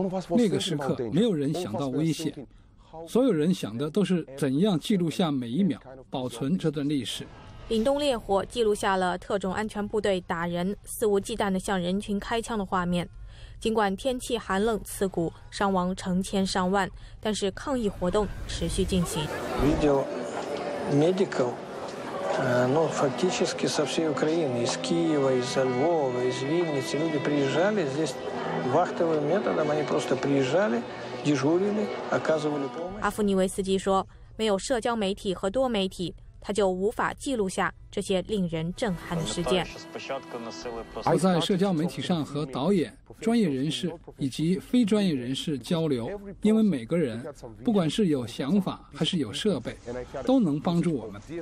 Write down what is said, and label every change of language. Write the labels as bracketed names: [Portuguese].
[Chinese] 那个时刻没有人想到危险，所有人想的都是怎样记录下每一秒，保存这段历史。凛冬烈火记录下了特种安全部队打人肆无忌惮地向人群开枪的画面。尽管天气寒冷刺骨，伤亡成千上万，但是抗议活动持续进行。 [English] Video medical, [Russian] фактически со всей Украины, из Киева, из Львова, из Винницы, люди приезжали здесь вахтовым методом, они просто приезжали, дежурили, оказывали помощь. [Chinese] 阿夫尼维斯基说：“没有社交媒体和多媒体。” 他就无法记录下这些令人震撼的事件。我在社交媒体上和导演、专业人士以及非专业人士交流，因为每个人，不管是有想法还是有设备，都能帮助我们。